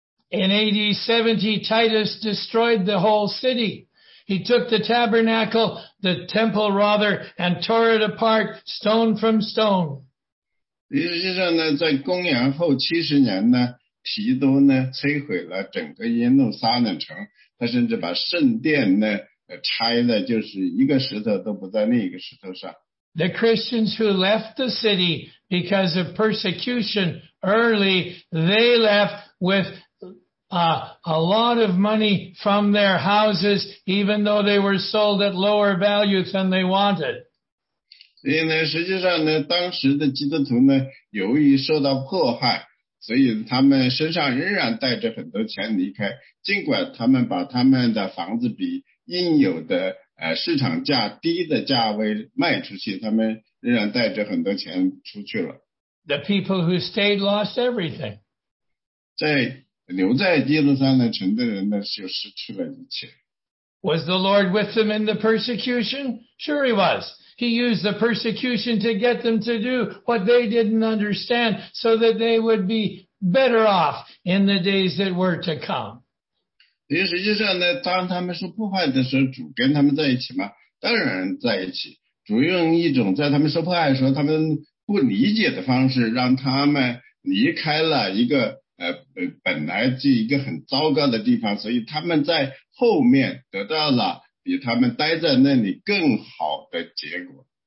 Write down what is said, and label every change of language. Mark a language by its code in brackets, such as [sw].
[en] In AD 70, Titus destroyed the whole city. He took the tabernacle, the temple rather, and tore it apart stone from stone. [zh] 实际上呢，在公元后七十年呢，提多呢摧毁了整个耶路撒冷城，他甚至把圣殿呢拆的，就是一个石头都不在另一个石头上。 [en] The Christians who left the city because of persecution early, they left witha lot of money from their houses, even though they were sold at lower values than they wanted. [zh] 所以呢，实际上呢，当时的基督徒呢，由于受到迫害，所以他们身上仍然带着很多钱离开，尽管他们把他们的房子比应有的市场价低的价位卖出去，他们仍然带着很多钱出去了。 [en] The people who stayed lost everything. [zh] 在留在耶路撒冷城的人呢，就失去了一切。 [en] Was the Lord with them in the persecution? Sure, he was. He used the persecution to get them to do what they didn't understand, so that they would be better off in the days that were to come. [zh] 因为实际上呢，当他们受迫害的时候，主跟他们在一起吗？当然在一起。主用一种在他们受迫害的时候他们不理解的方式，让他们离开了一个。本来是一个很糟糕的地方，所以他们在后面得到了比他们待在那里更好的结果。